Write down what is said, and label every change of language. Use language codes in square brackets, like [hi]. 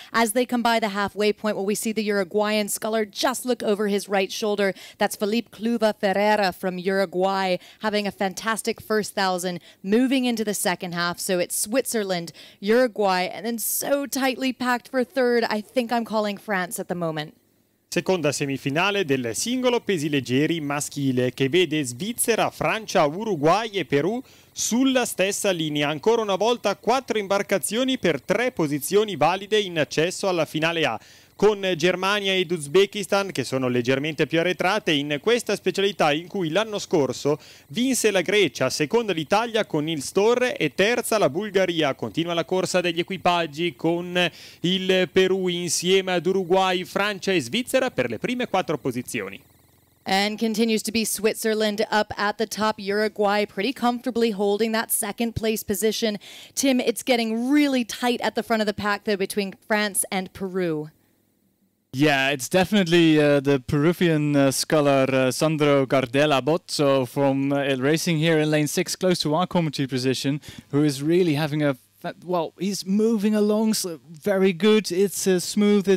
[en] As they come by the halfway point, will we see the Uruguayan sculler just look over his right shoulder? That's Felipe Cluva Ferreira from Uruguay, having a fantastic first thousand, moving into the second half. So it's Switzerland, Uruguay, and then so tightly packed for third. I think I'm calling France at the moment. [it] Seconda semifinale del singolo pesi leggeri maschile, che vede Svizzera, Francia, Uruguay e Perù sulla stessa linea. Ancora una volta quattro imbarcazioni per tre posizioni valide in accesso alla finale A, con Germania ed Uzbekistan, che sono leggermente più arretrate, in questa specialità in cui l'anno scorso vinse la Grecia, seconda l'Italia con Nils Torre e terza la Bulgaria. Continua la corsa degli equipaggi con il Perù insieme ad Uruguay, Francia e Svizzera per le prime quattro posizioni. [en] And continues to be Switzerland up at the top. Uruguay pretty comfortably holding that second place position. Tim, it's getting really tight at the front of the pack, though, between France and Peru. Yeah, it's definitely the Peruvian sculler Sandro Gardella Bozzo from racing here in lane six, close to our commentary position, who is really having a he's moving along so very good. It's smooth.